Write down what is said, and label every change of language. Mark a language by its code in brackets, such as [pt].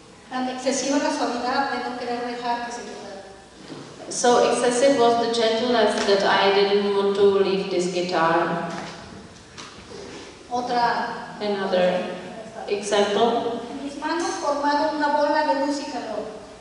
[es] Tan excesiva la suavidad de no querer dejar que se quedara. [en] So excessive was the gentleness that I didn't want to leave this guitar. [es] Otra. [en] Another example. [es] Mis manos formaron una bola de luz y calor.